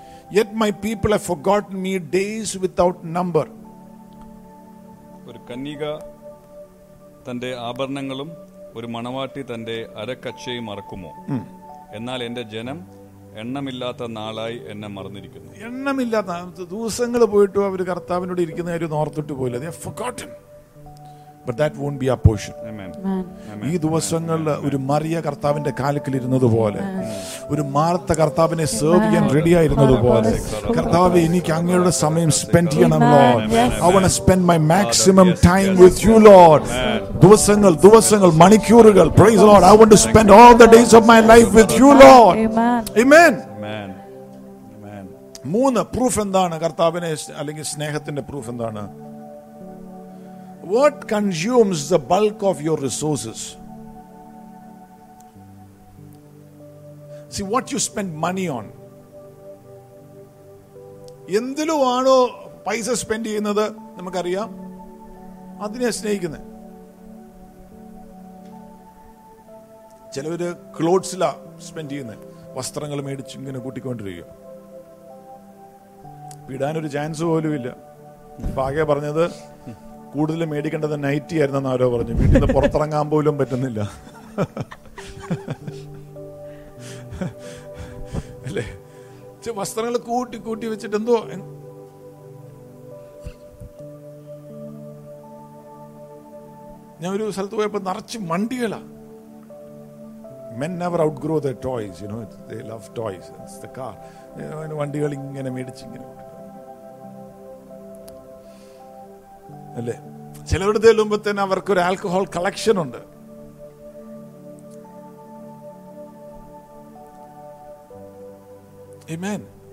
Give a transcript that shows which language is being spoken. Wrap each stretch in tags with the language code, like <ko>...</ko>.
<en>Yet my people have forgotten me days without number.</en> <ml>ഒരു കന്യക തന്റെ ആഭരണങ്ങളും ഒരു മണവാട്ടി തന്റെ അരക്കച്ചയും മറക്കുമോ? എന്നാൽ എന്റെ ജനം എണ്ണമില്ലാത്ത നാളായി എന്നെ മറന്നിരിക്കുന്നു. എണ്ണമില്ലാത്ത ദിവസങ്ങൾ പോയിട്ടും അവർ കർത്താവിനോട് ഇരിക്കുന്ന കാര്യം ഓർത്തിട്ട് പോയില്ല.</ml> <en>They have forgotten. But that won't be our portion. Amen.</en> <ml>ഈ ദിവസങ്ങളിൽ ഒരു മറിയ കർത്താവിന്റെ കാലക്കിൽ ഇരുന്നതുപോലെ, ഒരു മാർത്ത കർത്താവിനെ സേർവ് ചെയ്യാൻ റെഡി ആയിരുന്നതുപോലെ, കർത്താവ് എനിക്ക് അങ്ങയുടെ സമയം സ്പെൻഡ് ചെയ്യണം Lord.</ml> <en>I want to spend my maximum time with you Lord.</en> <ml>ദിവസങ്ങൾ ദിവസങ്ങൾ മണിക്കൂറുകൾ.</ml> <en>Praise Lord. I want to spend all the days of my life with you Lord. Amen. Amen. Amen.</en> <ml>മൂന്ന് proof എന്താണ് കർത്താവിനെ അല്ലെങ്കിൽ സ്നേഹത്തിന്റെ proof എന്താണ്?</ml> <en>What consumes the bulk of your resources? See, what you spend money on,</en> <ml>എന്തിലുമാണോ പൈസ spend ചെയ്യുന്നത് നമുക്കറിയാം, അതിനെ സ്നേഹിക്കുന്നത്. ചിലവര് ക്ലോത്ത്സിലാ സ്പെൻഡ് ചെയ്യുന്നത്, വസ്ത്രങ്ങൾ മേടിച്ച് ഇങ്ങനെ കൂട്ടിക്കൊണ്ടിരിക്കുക. വിടാനൊരു ചാൻസ് പോലും ഇല്ല. ഭാഗ്യ പറഞ്ഞത് കൂടുതൽ മേടിക്കേണ്ടത് നൈറ്റി ആയിരുന്നു എന്നാരോ പറഞ്ഞു. വീട്ടിൽ നിന്ന് പുറത്തിറങ്ങാൻ പോലും പറ്റുന്നില്ല അല്ലേ. വസ്ത്രങ്ങൾ കൂട്ടി കൂട്ടി വെച്ചിട്ട് എന്തോ. ഞാൻ ഒരു സ്ഥലത്ത് പോയപ്പോ നിറച്ച് മണ്ടികളാ.</ml> <en>Men never outgrow their toys, you know, they love toys. It's the car.</en> <ml>അതിന് വണ്ടികൾ ഇങ്ങനെ മേടിച്ചിങ്ങനെ അല്ലേ. ചിലവരുടെ മുമ്പേ തന്നെ അവർക്കൊരു ആൽക്കഹോൾ കളക്ഷൻ ഉണ്ട്.</ml> <en>Amen.</en>